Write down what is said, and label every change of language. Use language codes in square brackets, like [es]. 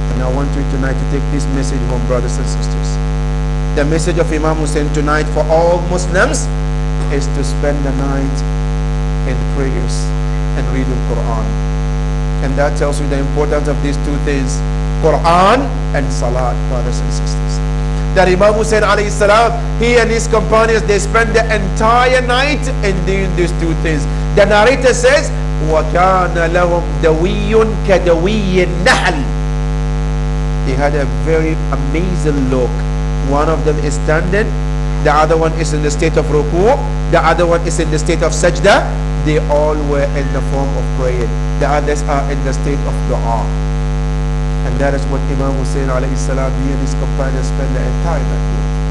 [en] And I want you tonight to take this message home, brothers and sisters. The message of Imam Hussein tonight for all Muslims is to spend the night in prayers and reading Quran. And that tells you the importance of these two things, Quran and Salat, brothers and sisters. That Imam Hussein alayhi salam, he and his companions, they spent the entire night in doing these two things. The narrator says, [ar] وَكَانَ لَهُمْ دَوِيٌّ كَدَوِيِّ النَّحْلِ. [en] He had a very amazing look. One of them is standing, the other one is in the state of ruku, the other one is in the state of sajda. They all were in the form of praying. The others are in the state of dua. And that is what Imam Hussein alayhi salam, he and his companions spend the entire night with.